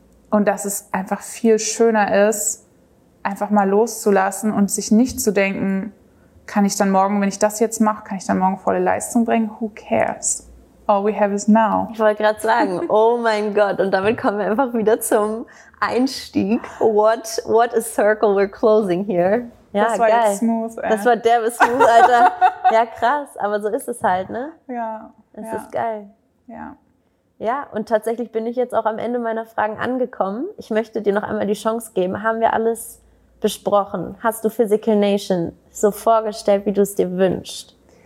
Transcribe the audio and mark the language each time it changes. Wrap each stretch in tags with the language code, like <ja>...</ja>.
<de>Und dass es einfach viel schöner ist, einfach mal loszulassen und sich nicht zu denken, kann ich dann morgen, wenn ich das jetzt mache, kann ich dann morgen volle Leistung bringen?</de> <en>Who cares? All we have is now.</en> <de>Ich wollte gerade sagen, oh mein Gott. Und damit kommen wir einfach wieder zum Einstieg.</de> <en>What a circle we're closing here.</en> <de>Ja, das war geil. Jetzt smooth. Das war derbe smooth, Alter. Ja, krass. Aber so ist es halt, ne? Ja. Es ist geil. Ja. Ja, und tatsächlich bin ich jetzt auch am Ende meiner Fragen angekommen. Ich möchte dir noch einmal die Chance geben. Haben wir alles besprochen? Hast du Physical Nation so vorgestellt, wie du es dir wünschst?</de>